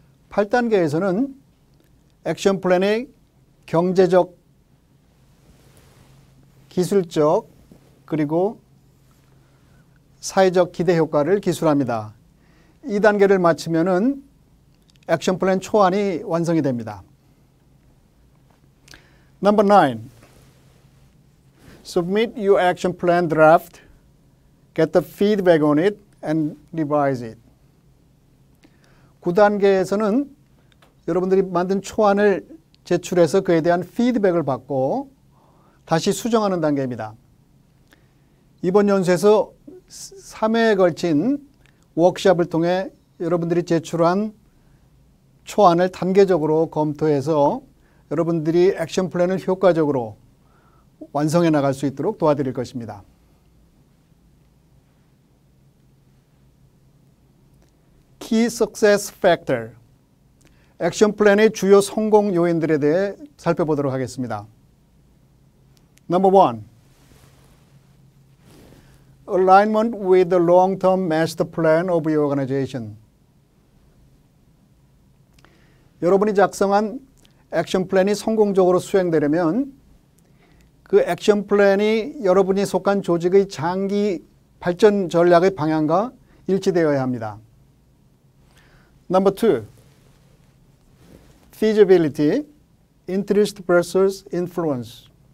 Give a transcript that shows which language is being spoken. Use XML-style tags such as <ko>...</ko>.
<ko>8단계에서는 액션 플랜의 경제적, 기술적, 그리고 사회적 기대 효과를 기술합니다. 이 단계를 마치면은 액션 플랜 초안이 완성이 됩니다.</ko> <en>Number nine. Submit your action plan draft, get the feedback on it, and revise it.</en> <ko>9단계에서는 여러분들이 만든 초안을 제출해서 그에 대한 피드백을 받고 다시 수정하는 단계입니다. 이번 연수에서 3회에 걸친 워크샵을 통해 여러분들이 제출한 초안을 단계적으로 검토해서 여러분들이 액션 플랜을 효과적으로 완성해 나갈 수 있도록 도와드릴 것입니다. 키 석세스 팩터. 액션 플랜의 주요 성공 요인들에 대해 살펴보도록 하겠습니다.</ko> <en>Number one, alignment with the long-term master plan of your organization.</en> <ko>여러분이 작성한 액션 플랜이 성공적으로 수행되려면 그 액션 플랜이 여러분이 속한 조직의 장기 발전 전략의 방향과 일치되어야 합니다.</ko> <en>Number two, feasibility, interest versus influence.</en>